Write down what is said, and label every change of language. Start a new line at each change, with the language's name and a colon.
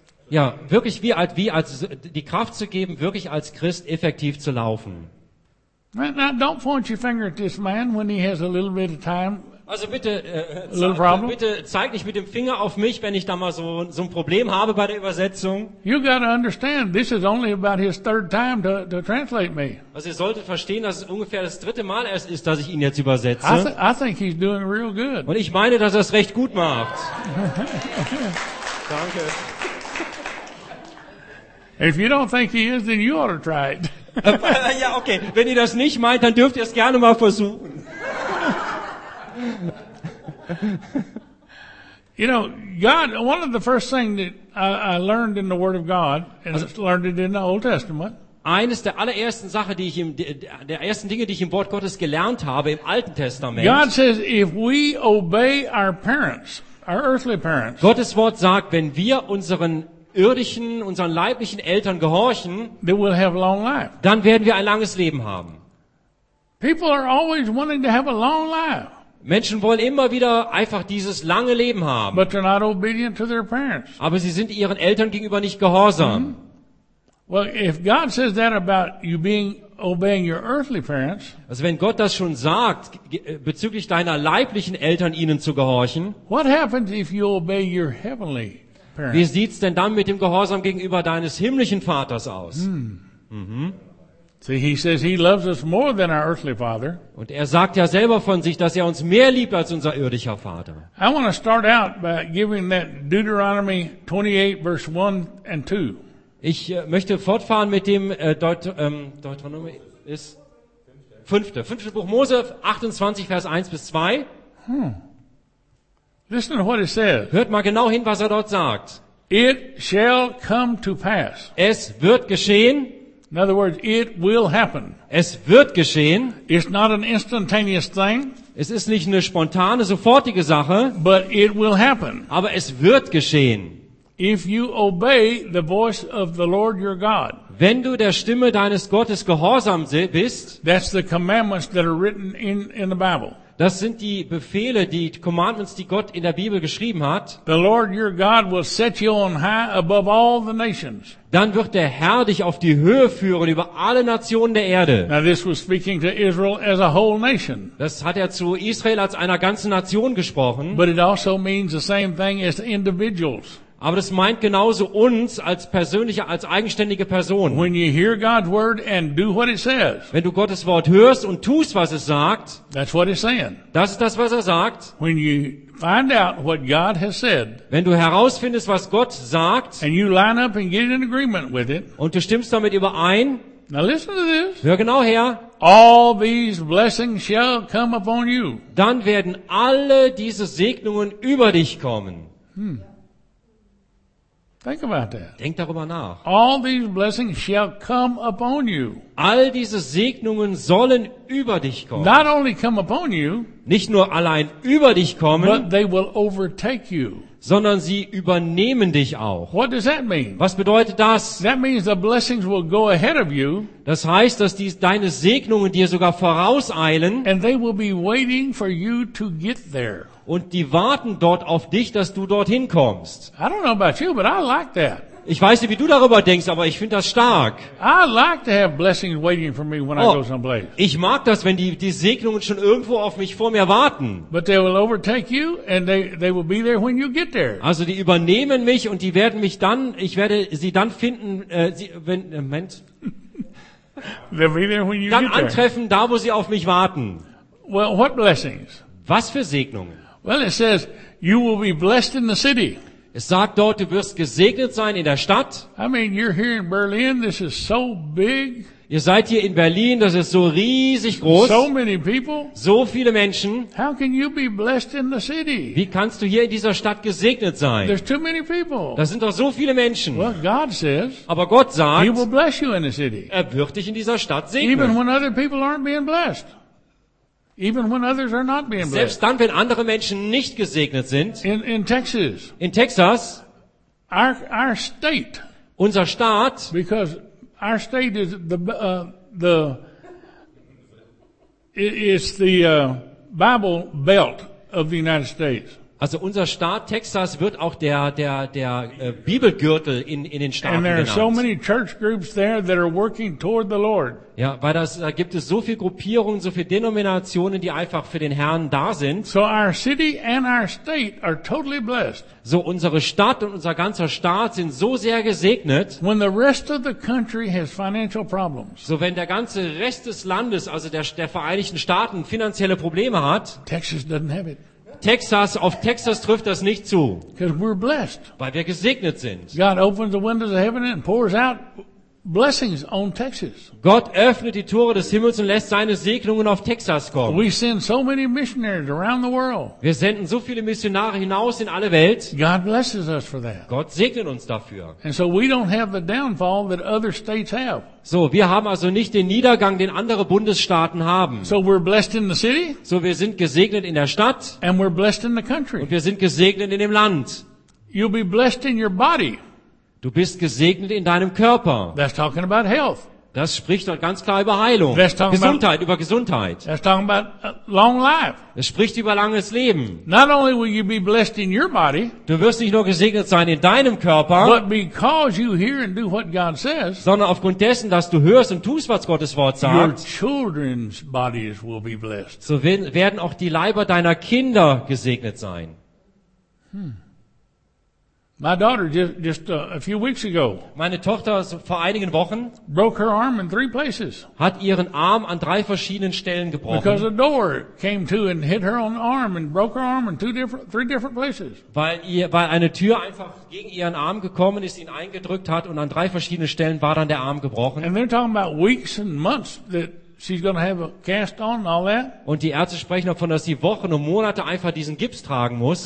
German: Ja, wirklich wie als die Kraft zu geben, wirklich als Christ effektiv zu laufen.
English: Now, don't point your finger at this man when he has a little bit of time.
German: Also bitte zeig nicht mit dem Finger auf mich, wenn ich da mal so ein Problem habe bei der Übersetzung.
English: You gotta understand, this is only about his third time to translate me.
German: Also ihr solltet verstehen, dass es ungefähr das dritte Mal erst ist, dass ich ihn jetzt übersetze.
English: I think he's doing real good.
German: Und ich meine, dass er es recht gut macht. Danke.
English: If you don't think he is, then you ought to try it.
German: Ja, okay. Wenn ihr das nicht meint, dann dürft ihr es gerne mal versuchen.
English: You know, God, one of the first things that I learned in the Word of God, and also, I learned it in the Old Testament.
German: Eines der allerersten Sachen, der ersten Dinge, die ich im Wort Gottes gelernt habe, im Alten Testament.
English: God says, if we obey our parents, our earthly parents.
German: Gottes Wort sagt, wenn wir unseren leiblichen Eltern gehorchen,
English: they will have long life.
German: Dann werden wir ein langes Leben haben.
English: People are always wanting to have a long life.
German: Menschen wollen immer wieder einfach dieses lange Leben haben.
English: But they're not obedient to their parents.
German: Aber sie sind ihren Eltern gegenüber nicht gehorsam. Mm-hmm.
English: Well, if God says that about you being obeying your earthly parents,
German: also wenn Gott das schon sagt, bezüglich deiner leiblichen Eltern ihnen zu gehorchen,
English: what happens if you obey your heavenly?
German: Wie sieht's denn dann mit dem Gehorsam gegenüber deines himmlischen Vaters aus?
English: See, he says he loves us more than our earthly father.
German: Und er sagt ja selber von sich, dass er uns mehr liebt als unser irdischer Vater.
English: I want to start out by giving that Deuteronomy 28 verse 1 and 2.
German: Ich möchte fortfahren mit dem Deuteronomy ist fünfte Buch Mose 28 Vers 1 bis 2.
English: Listen to what it says.
German: Hört mal genau hin, was er dort sagt.
English: It shall come to pass.
German: Es wird geschehen.
English: In other words, it will happen.
German: Es wird geschehen.
English: It's not an instantaneous thing.
German: Es ist nicht eine spontane, sofortige Sache.
English: But it will happen.
German: Aber es wird geschehen.
English: If you obey the voice of the Lord your God.
German: Wenn du der Stimme deines Gottes gehorsam bist.
English: That's the commandments that are written in the Bible.
German: Das sind die Befehle, die Commandments, die Gott in der Bibel geschrieben hat.
English: The Lord your God will set you on high above all the nations.
German: Dann wird der Herr dich auf die Höhe führen über alle Nationen der Erde.
English: Now this was speaking to Israel as a whole nation.
German: Das hat er zu Israel als einer ganzen Nation gesprochen.
English: But it also means the same thing as individuals.
German: Aber das meint genauso uns als persönliche, als eigenständige Person.
English: When you hear God's word and do what it says,
German: wenn du Gottes Wort hörst und tust, was es sagt,
English: that's what it's saying.
German: Das ist das, was er sagt.
English: When you find out what God has said,
German: wenn du herausfindest, was Gott sagt,
English: and you line up and get in agreement with it,
German: und du stimmst damit überein,
English: now listen to this.
German: Hör genau her.
English: All these blessings shall come upon you.
German: Dann werden alle diese Segnungen über dich kommen.
English: Think about that.
German: Denk darüber nach.
English: All these blessings shall come upon you.
German: All diese Segnungen sollen über dich kommen.
English: Not only come upon you,
German: nicht nur allein über dich kommen,
English: but they will overtake you.
German: Sondern sie übernehmen dich auch.
English: What does that mean?
German: Was bedeutet das?
English: That means the blessings will go ahead of you.
German: Das heißt, dass dies deine Segnungen dir sogar vorauseilen.
English: And they will be waiting for you to get there.
German: Und die warten dort auf dich, dass du dorthin kommst.
English: I don't know about you, but I like that.
German: Ich weiß nicht, wie du darüber denkst, aber ich finde das stark.
English: I like to have blessings waiting for me when I go someplace.
German: Ich mag das, wenn die Segnungen schon irgendwo auf mich vor mir warten.
English: But they will overtake you and they will be there when you get there.
German: Also die übernehmen mich und die werden mich dann, ich werde sie dann finden, Moment.
English: They'll be there when you
German: dann
English: get
German: antreffen, Da wo sie auf mich warten.
English: Well, what blessings?
German: Was für Segnungen?
English: Well, it says you will be blessed in the city.
German: Es sagt dort, du wirst gesegnet sein in der Stadt.
English: I mean, you're here in Berlin. This is so big.
German: Ihr seid hier in Berlin. Das ist so riesig groß.
English: So many people.
German: So viele Menschen.
English: How can you be blessed in the city?
German: Wie kannst du hier in dieser Stadt gesegnet sein?
English: There's too many people.
German: Da sind doch so viele Menschen.
English: Well, God says.
German: Aber Gott sagt.
English: He will bless you in the city.
German: Er wird dich in dieser Stadt segnen.
English: Even when other people aren't being blessed. Even when others are not being blessed.
German: Selbst dann, wenn andere Menschen nicht gesegnet sind.
English: In Texas.
German: In Texas.
English: Our state.
German: Unser Staat.
English: Because our state is the Bible Belt of the United States.
German: Also unser Staat Texas wird auch der Bibelgürtel in den Staaten genannt.
English: And there are so many church groups there that are working toward the Lord.
German: Ja, weil da gibt es so viele Gruppierungen, so viele Denominationen, die einfach für den Herrn da sind.
English: So our city and our state are totally blessed.
German: So unsere Stadt und unser ganzer Staat sind so sehr gesegnet.
English: When the rest of the country has financial problems.
German: So wenn der ganze Rest des Landes, also der Vereinigten Staaten finanzielle Probleme hat,
English: Texas doesn't have it.
German: Texas, auf Texas trifft das nicht zu.
English: Because we're blessed.
German: Weil wir gesegnet sind.
English: God opens the windows of heaven and pours out blessings on Texas.
German: Gott öffnet die Tore des Himmels und lässt seine Segnungen auf Texas kommen.
English: We send so many missionaries around the world.
German: Wir senden so viele Missionare hinaus in alle Welt.
English: God blesses us for that.
German: Gott segnet uns dafür.
English: And so we don't have the downfall that other states have.
German: So, wir haben also nicht den Niedergang, den andere Bundesstaaten haben.
English: So we're blessed in the city.
German: So wir sind gesegnet in der Stadt.
English: And we're blessed in the country.
German: Und wir sind gesegnet in dem Land.
English: You'll be blessed in your body.
German: Du bist gesegnet in deinem Körper.
English: That's talking about health.
German: Das spricht dort ganz klar über Heilung. Gesundheit, über Gesundheit.
English: That's talking about long life.
German: Es spricht über langes Leben.
English: Not only will you be blessed in your body,
German: du wirst nicht nur gesegnet sein in deinem Körper,
English: but because you hear and do what God says,
German: sondern aufgrund dessen, dass du hörst und tust, was Gottes Wort sagt,
English: your children's bodies will be blessed.
German: So werden auch die Leiber deiner Kinder gesegnet sein.
English: My daughter just a few weeks ago.
German: Meine Tochter vor einigen Wochen
English: broke her arm in three places.
German: Hat ihren Arm an drei verschiedenen Stellen gebrochen.
English: Because a door came to and hit her on the arm and broke her arm in three different places.
German: Weil eine Tür einfach gegen ihren Arm gekommen ist, ihn eingedrückt hat und an drei verschiedenen Stellen war dann der Arm gebrochen.
English: And they're talking about weeks and months that She's gonna have a cast on and all that.
German: Und die Ärzte sprechen davon, dass sie Wochen und Monate einfach diesen Gips tragen muss.